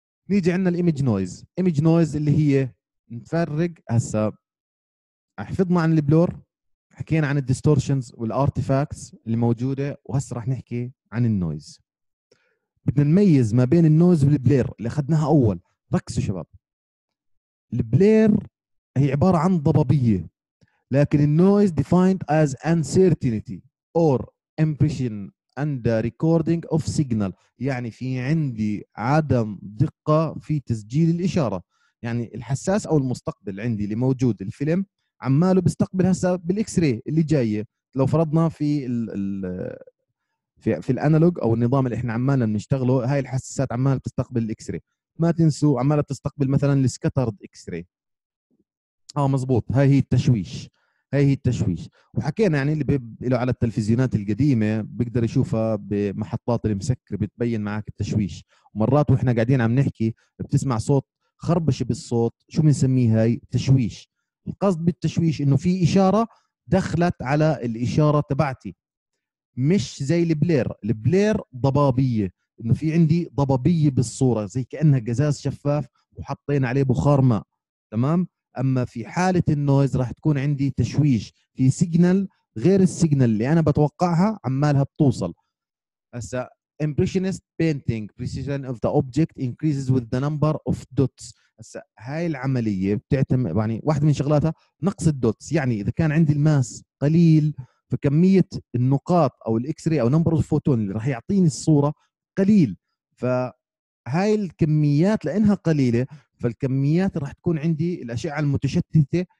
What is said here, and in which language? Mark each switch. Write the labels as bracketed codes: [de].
[ar] نيجي عندنا الايمج نويز. ايمج نويز اللي هي نفرق هسا حفظنا عن البلور حكينا عن الديستورشنز والارتيفاكتس اللي موجودة وهسا راح نحكي عن النويز. بدنا نميز ما بين النويز والبلير اللي اخذناها اول. ركزوا شباب. البلير هي عبارة عن ضبابية لكن النويز [en] defined as uncertainty or impression and recording of signal. [ar] يعني في عندي عدم دقة في تسجيل الإشارة. يعني الحساس أو المستقبل عندي اللي موجود الفيلم عماله بيستقبل هسا بالإكس راي اللي جاية. لو فرضنا في في الأنالوج أو النظام اللي إحنا عمالنا بنشتغله هاي الحساسات عمالة بتستقبل الإكس راي. ما تنسوا عمالة تستقبل مثلاً السكاترد إكس راي. مزبوط. هاي هي التشويش. هاي هي التشويش. وحكينا يعني اللي بيلو على التلفزيونات القديمة بيقدر يشوفها بمحطات المسكر بتبين معاك التشويش. ومرات وإحنا قاعدين عم نحكي بتسمع صوت خربش بالصوت. شو بنسميه هاي؟ تشويش. القصد بالتشويش إنه في إشارة دخلت على الإشارة تبعتي. مش زي البلير. البلير ضبابية. إنه في عندي ضبابية بالصورة زي كأنها قزاز شفاف وحطينا عليه بخار ماء. تمام؟ أما في حالة النويز راح تكون عندي تشويش في سيجنال غير السيجنال اللي أنا بتوقعها عمالها بتوصل. [en] هسا impressionist painting precision of the object increases with the number of dots. [ar] هسا هاي العملية بتعتمد يعني واحد من شغلاتها نقص الدوتس. يعني إذا كان عندي الماس قليل فكمية النقاط أو الإكس راي أو [en] number of photons [ar] اللي راح يعطيني الصورة قليل. فهاي الكميات لأنها قليلة فالكميات راح تكون عندي الأشعة المتشتتة